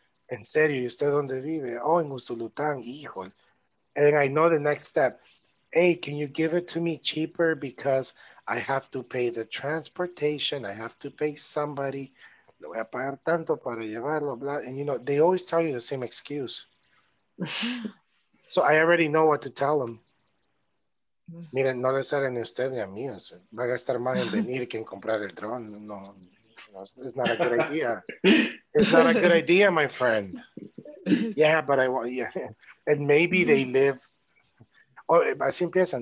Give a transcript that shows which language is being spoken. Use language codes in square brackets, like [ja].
[es] En serio, ¿y usted dónde vive? Oh, en Usulután, híjole. [en] And I know the next step. Hey, can you give it to me cheaper? Because I have to pay the transportation. I have to pay somebody. [es] Lo voy a pagar tanto para llevarlo, blah. [en] And you know, they always tell you the same excuse. So I already know what to tell them. [es] Miren, no le sale ni a usted ni a mí. Va a gastar más en venir que en comprar el drone. [en] No, it's not a good idea. It's not a good idea, my friend. Yeah, but I want, yeah. And maybe they live, or [es] así empiezan.